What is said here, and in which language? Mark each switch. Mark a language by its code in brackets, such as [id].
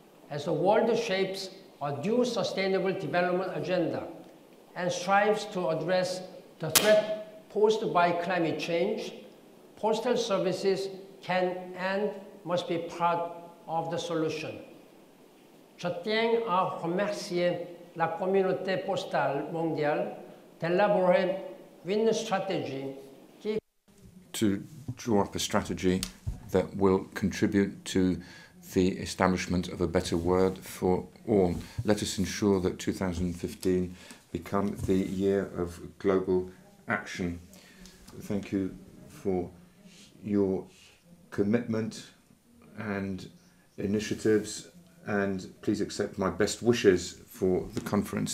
[en] As the world shapes a new sustainable development agenda and strives to address the threat posed by climate change, postal services can and must be part of the solution. [fr] Je tiens à remercier la communauté postale mondiale d'élaborer une stratégie qui... [en] To draw up a strategy that will contribute to the establishment of a better world for all. Let us ensure that 2015 become the year of global action. Thank you for your commitment and initiatives, and please accept my best wishes for the conference.